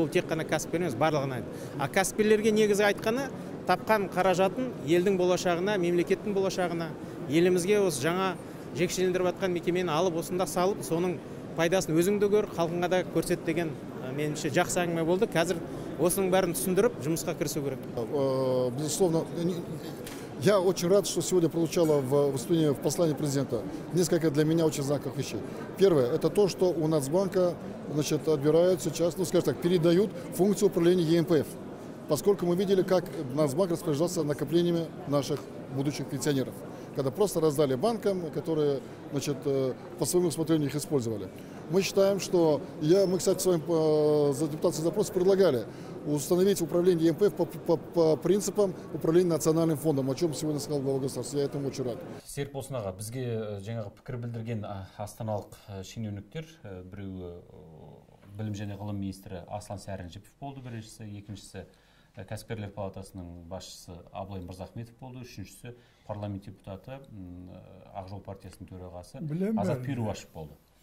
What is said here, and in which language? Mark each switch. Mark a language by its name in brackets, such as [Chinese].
[Kazakh] Ол тек қана кәсіпкерлеріміз барлығына айтты. А кәсіпкерлерге негізгі айтқаны тапқан қаражатын елдің болашағына, мемлекеттің болашағына, елімізге осы жаңа жекешелендіріп атқан мекемені алып осында салып, соның пайдасын өзің де көр, халқыңа да көрсет деген меніңше жақсы әңгіме болды. Қазір осының бәрін түсіндіріп жұмысқа кірісу керек. [Russian] Безусловно, я очень рад, что сегодня прозвучало в выступлении, в послании президента несколько для меня очень знаковых вещей. Первое – это то, что у Нацбанка значит, отбирают сейчас, ну скажем так, передают функцию управления ЕМПФ, поскольку мы видели, как Нацбанк распоряжался накоплениями наших будущих пенсионеров, когда просто раздали банкам, которые значит, по своему усмотрению их использовали. Мы считаем, что мы, кстати, с вами за депутатский запрос предлагали установить управление ЕМПФ по принципам управления национальным фондом, о чем сегодня сказал глава государства. Я этому очень рад. [Kazakh] Серп Осынаға, бізге жаңағы пікір білдірген астаналық шенеуніктер, біреу білім және ғылым министрі Аслан Сәрінжіпов болды біріншісі, екіншісі кәсіпкерлер палатасының басшысы Абылай Мырзахметов болды, үшіншісі парламент депутаты Ақ жол партиясының төрағасы Азат Перуашев болды.